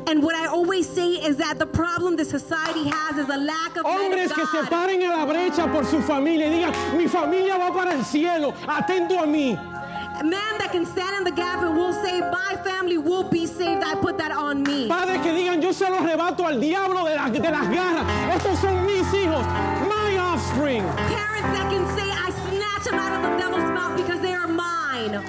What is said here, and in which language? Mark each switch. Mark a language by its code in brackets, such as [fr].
[en] And what I always say is that the problem the society has is a lack of [es] hombres [en] men of [es] que [en] God. [es] Se paren en la brecha por su familia y digan, mi familia va para el cielo, atento a mí. [en] Men that can stand in the gap and will say, my family will be saved, I put that on me. [es] Padres que digan, yo se lo arrebato al diablo de las garras, estos son mis hijos, [en] my offspring. Parents that can say, I snatch them out of the devil's mouth because they are mine.